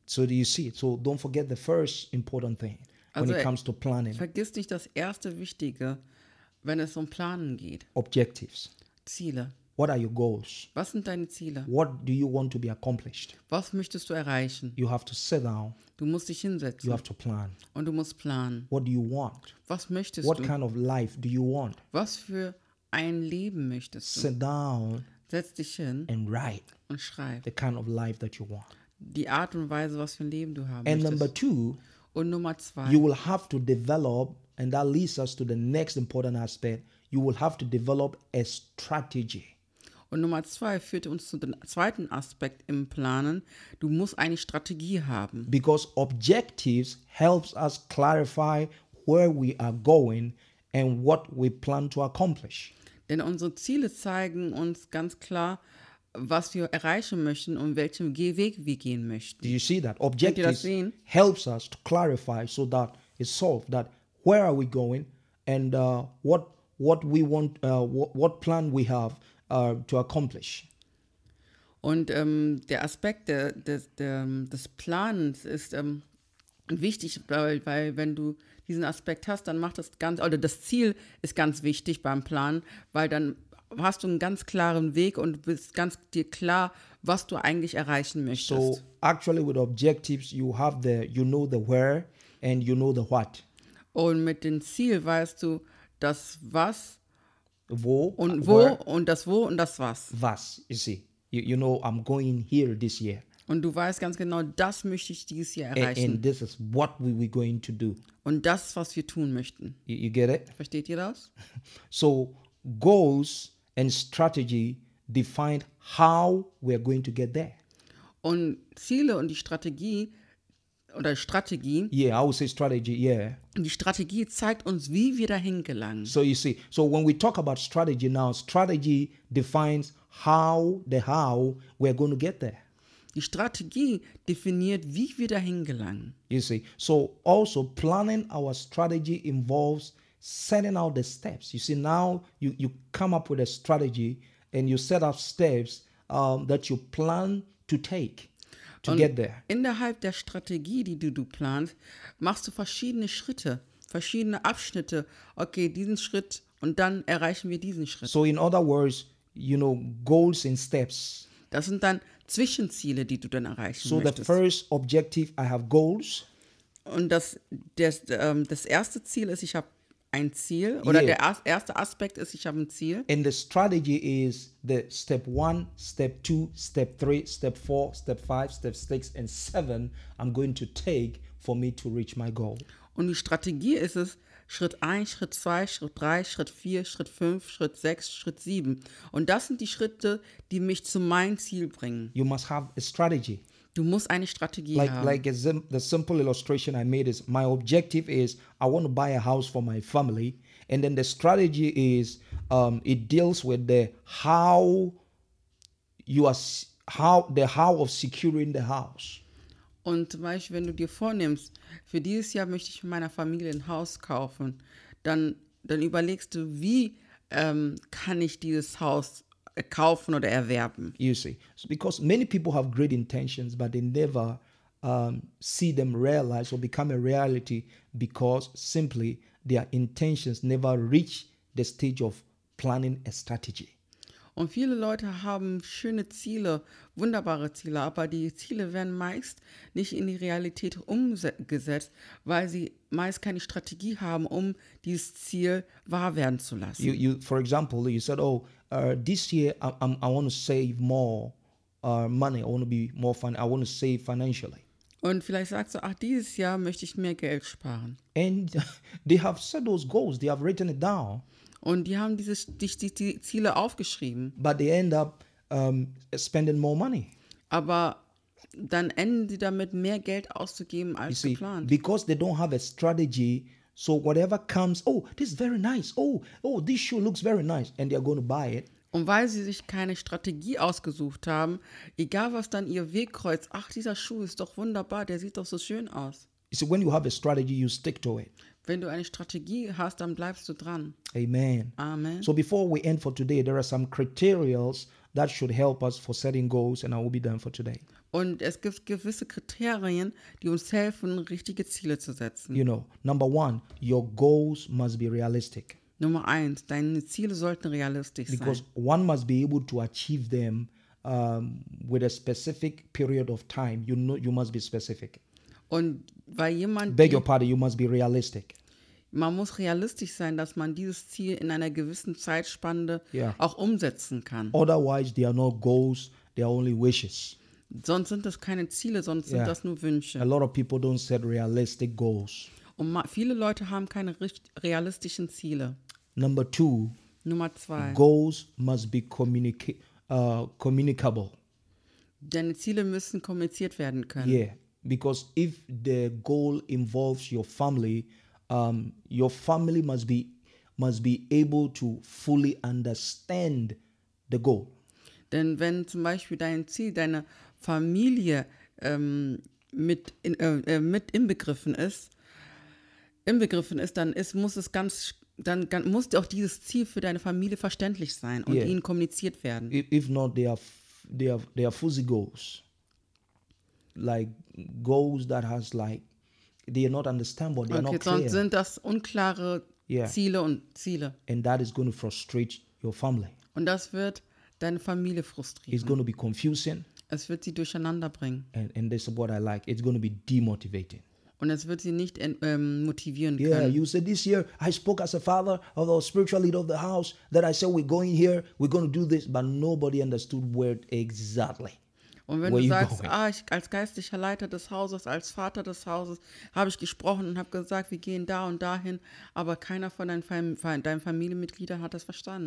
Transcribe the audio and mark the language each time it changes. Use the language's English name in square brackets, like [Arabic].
[English] So do you see it? So don't forget the first important thing. Also, when it comes to planning. [German] Vergiss nicht das erste Wichtige, wenn es um Planen geht. [English] Objectives. [German] Ziele. [English] What are your goals? [German] Was sind deine Ziele? [English] What do you want to be accomplished? [German] Was möchtest du erreichen? [English] You have to sit down. [German] Du musst dich hinsetzen. [English] You have to plan. [German] Und du musst planen. [English] What do you want? [German] Was möchtest [English] what [German] du? [English] What kind of life do you want? [German] Was für ein Leben möchtest du? [English] Sit down. [German] Setz dich hin. [English] And write. [German] Und schreib. [English] The kind of life that you want. [German] Die Art und Weise, was für ein Leben du haben [English] and [German] möchtest. [English] And number two. [German] Und Nummer zwei. [English] You will have to develop, and that leads us to the next important aspect, you will have to develop a strategy. [German] Und Nummer zwei führt uns zu dem zweiten Aspekt im Planen. Du musst eine Strategie haben. [English] Because objectives helps us clarify where we are going and what we plan to accomplish. [German] Denn unsere Ziele zeigen uns ganz klar, was wir erreichen möchten und welchen Weg wir gehen möchten. [English] Do you see that? Objectives helps us to clarify so that it's solved that where are we going and what plan we have to accomplish. [German] Und der Aspekt des Planens ist wichtig, weil wenn du diesen Aspekt hast, dann macht das ganz, oder das Ziel ist ganz wichtig beim Planen, weil dann hast du einen ganz klaren Weg und bist ganz dir klar, was du eigentlich erreichen möchtest. [English] So actually with objectives you have the you know the where and you know the what. [German] Und mit dem Ziel weißt du das was, wo und wo where, und das wo und das was. [English] Was, you see, you know I'm going here this year. [German] Und du weißt ganz genau, das möchte ich dieses Jahr erreichen. [English] And this is what we were going to do. [German] Und das, was wir tun möchten. [English] You get it? [German] Versteht ihr das? [English] So, goals and strategy define how we are going to get there. [German] Und Ziele und die Strategie oder Strategie. [English] Yeah, I would say strategy, yeah. [German] Die Strategie zeigt uns, wie wir dahin gelangen. [English] So you see, so when we talk about strategy now, strategy defines how we are going to get there. [German] Die Strategie definiert, wie wir dahin gelangen. [English] You see, so also planning our strategy involves setting out the steps. You see, now you come up with a strategy and you set up steps that you plan to take. To get there. [German] Innerhalb der Strategie, die du planst, machst du verschiedene Schritte, verschiedene Abschnitte. Okay, diesen Schritt und dann erreichen wir diesen Schritt. [English] So in other words, you know, goals and steps. [German] Das sind dann Zwischenziele, die du dann erreichen [English] so [German] möchtest. [English] So the first objective, I have goals. [German] Und das erste Ziel ist, ich habe ein Ziel. Oder yeah. Der erste Aspekt ist, ich habe ein Ziel. [English] And the strategy is the step 1, step 2, step 3, step 4, step 5, step 6 and 7 I'm going to take for me to reach my goal. [German] Und die Strategie ist es, Schritt 1, Schritt 2, Schritt 3, Schritt 4, Schritt 5, Schritt 6, Schritt 7. Und das sind die Schritte, die mich zu meinem Ziel bringen. [English] You must have a strategy. [German] Du musst eine Strategie haben. [English] Like the simple illustration I made is, my objective is, I want to buy a house for my family. And then the strategy is, it deals with the how of securing the house. [German] Und zum Beispiel, wenn du dir vornimmst, für dieses Jahr möchte ich mit meiner Familie ein Haus kaufen, dann überlegst du, wie kann ich dieses Haus kaufen oder erwerben. [English] You see, so because many people have great intentions, but they never see them realized or become a reality because simply their intentions never reach the stage of planning a strategy. [German] Und viele Leute haben schöne Ziele, wunderbare Ziele, aber die Ziele werden meist nicht in die Realität umgesetzt, weil sie meist keine Strategie haben, um dieses Ziel wahr werden zu lassen. [English] You, for example, you said, oh, this year I want to save more money. I want to be more fun. I want to save financially. [German] Und vielleicht sagst du, ach, dieses Jahr möchte ich mehr Geld sparen. [English] And they have set those goals. They have written it down. [German] Und die haben die Ziele aufgeschrieben. [English] But they end up spending more money. [German] Aber dann enden sie damit, mehr Geld auszugeben als [English] see, [German] geplant. [English] Because they don't have a strategy. So whatever comes, oh, this is very nice. Oh, this shoe looks very nice. And they're going to buy it. [German] Und weil sie sich keine Strategie ausgesucht haben, egal was dann ihr Weg kreuzt, ach, dieser Schuh ist doch wunderbar, der sieht doch so schön aus. [English] You see, when you have a strategy, you stick to it. [German] Wenn du eine Strategie hast, dann bleibst du dran. [English] Amen. [German] Amen. [English] So before we end for today, there are some criterias that should help us for setting goals, and I will be done for today. [German] Und es gibt gewisse Kriterien, die uns helfen, richtige Ziele zu setzen. [English] You know, number one, your goals must be realistic. [German] Nummer eins, deine Ziele sollten realistisch sein. [English] Because one must be able to achieve them with a specific period of time. You know, you must be specific. [German] Und weil jemand... [English] Beg your pardon, you must be realistic. [German] Man muss realistisch sein, dass man dieses Ziel in einer gewissen Zeitspanne auch umsetzen kann. [English] Otherwise, they are not goals, they are only wishes. [German] Sonst sind das keine Ziele, sonst sind das nur Wünsche. [English] A lot of people don't set realistic goals. [German] Und viele Leute haben keine realistischen Ziele. [English] Number two. [German] Nummer zwei. [English] Goals must be communicable. [German] Deine Ziele müssen kommuniziert werden können. [English] Yeah, because if the goal involves your family, your family must be able to fully understand the goal. [German] Denn wenn zum Beispiel dein Ziel, deine Familie mit inbegriffen ist, dann muss auch dieses Ziel für deine Familie verständlich sein und ihnen kommuniziert werden. [English] If not, they are fuzzy goals, like goals that has like they are not understandable, they are okay, not clear. [German] Okay, sonst sind das unklare Ziele und Ziele. [English] And that is going to frustrate your family. [German] Und das wird deine Familie frustrieren. [English] It's going to be confusing. [German] Es wird sie durcheinander bringen. [English] And this is what I like. It's going to be demotivating. [German] Und es wird sie nicht motivieren [English] yeah, [German] können. [English] Yeah, you said this year, I spoke as a father, of a spiritual leader of the house, that I said, we're going here, we're going to do this, but nobody understood where exactly. [German] Und wenn du sagst, ich als geistlicher Leiter des Hauses, als Vater des Hauses, habe ich gesprochen und habe gesagt, wir gehen da und dahin, aber keiner von deinen Familienmitgliedern hat das verstanden.